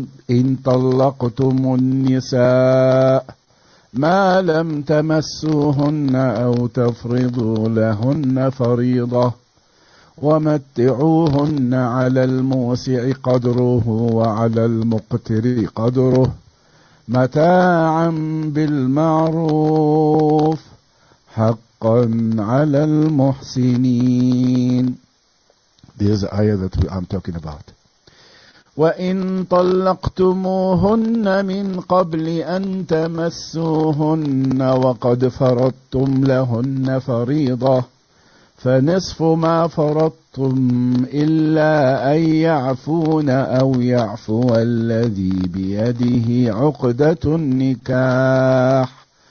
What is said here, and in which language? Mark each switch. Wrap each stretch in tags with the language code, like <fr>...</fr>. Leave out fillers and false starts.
<ar>إن طلقتم النساء ما لم تمسوهن أو تفرضوا لهن فريضة ومتعوهن على الموسع قدره وعلى المقتر قدره متاعا بالمعروف حقا على المحسنين.</ar> <en>This is the ayah that I'm talking about.</en> <ar>وإن طلقتموهن من قبل أن تمسوهن وقد فرضتم لهن فريضة فنصف ما فرضتم إلا أن يعفون أو يعفو الذي بيده عقدة النكاح</ar>